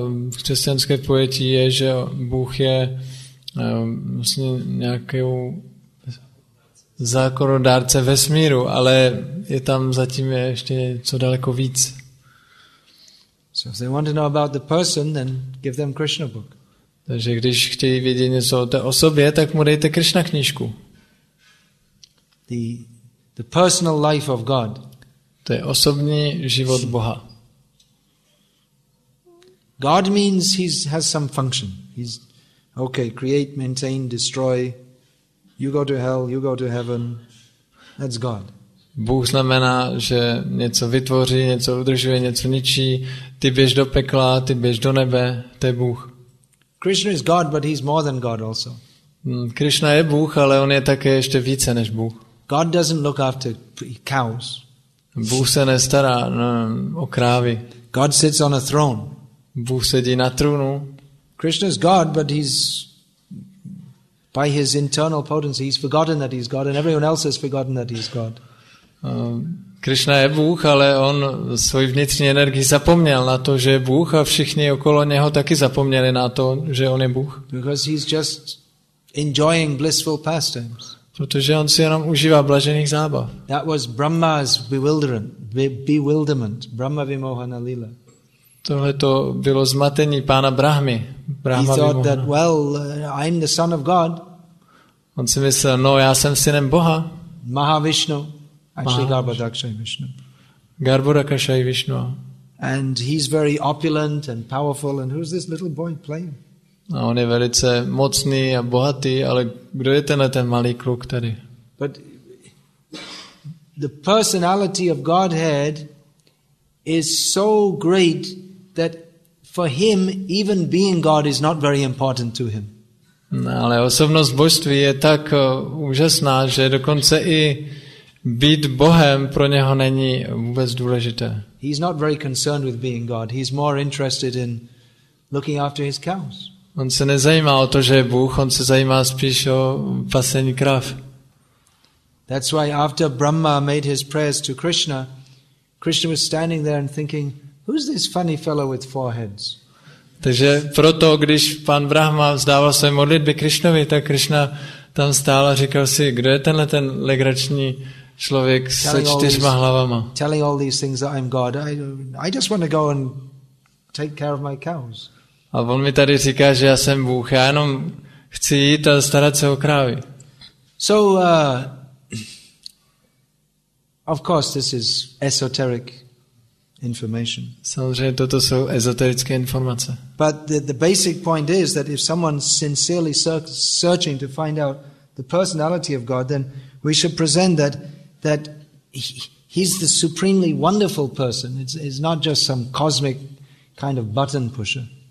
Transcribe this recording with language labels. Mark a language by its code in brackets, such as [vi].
[cs] Křesťanské pojetí je, že Bůh je vlastně nějakou zákonodárce vesmíru, ale je tam zatím ještě co daleko víc. [en] So if they want to know about the person, then give them Krishna book. [cs] Takže když chtějí vědět něco o té osobě, tak mu dejte Krishna knížku. [en] The personal life of God. [cs] To je osobní život Boha. [en] God means has some function. He's okay, create, maintain, destroy. You go to hell, you go to heaven. That's God. [cs] Bůh znamená, že něco vytvoří, něco udržuje, něco ničí. Ty běž do pekla, ty běž do nebe, to je Bůh. [en] Krishna is God, but he's more than God also. [cs] Krishna je Bůh, ale on je také ještě více než Bůh. [en] God doesn't look after cows. [cs] Bůh se nestará o krávy. [en] God sits on a throne. [cs] Bůh sedí na trůnu. [en] Krishna is God, but he's by his internal potency, he's forgotten that he's God, and everyone else has forgotten that he's God. [cs] Krishna je Bůh, ale on svoji vnitřní energii zapomněl na to, že je Bůh, a všichni okolo něho taky zapomněli na to, že on je Bůh. [en] Because he's just enjoying blissful pastimes. [cs] Protože on si jenom užívá blažených zábav. [en] That was Brahma's bewilderment, Brahma Vimohana Lila. [cs] Tohle to bylo zmatení pána Brahmy. [en] Brahma He thought that, well, I'm the son of God. [cs] On si myslel, no, já jsem synem Boha. [en] Mahavishnu. Actually, Garbhodakshaya Vishnu. [cs] Garbhodakshaya Vishnu. [en] And he's very opulent and powerful. And who's this little boy playing? [cs] A on je velice mocný a bohatý, ale kdo je tenhle ten malý kluk tady? [en] But the personality of Godhead is so great that for him, even being God is not very important to him. [cs] No, ale osobnost božství je tak úžasná, že dokonce i být Bohem pro něho není vůbec důležité. [en] He's not very concerned with being God. He's more interested in looking after his cows. [cs] On se nezajímá o to, že je Bůh, on se zajímá spíš o pasení krav. [en] That's why after Brahma made his prayers to Krishna, Krishna was standing there and thinking, who's this funny fellow with four heads? [cs] Takže proto, když pan Brahma vzdával své modlitby Krishnovi, tak Krishna tam stál a říkal si, kdo je tenhle ten legrační člověk se čtyřma hlavama? [en] Telling all these things that I'm God. I just want to go and take care of my cows. [cs] A on mi tady říká, že já jsem Bůh, já jenom chci jít a starat se o krávy. [en] So, of course, this is esoteric information. [cs] Samozřejmě toto jsou ezoterické informace. [en] But the basic point is that if someone's sincerely searching to find out the personality of God, then we should present that he's the supremely wonderful person. It's not just some cosmic kind of button pusher.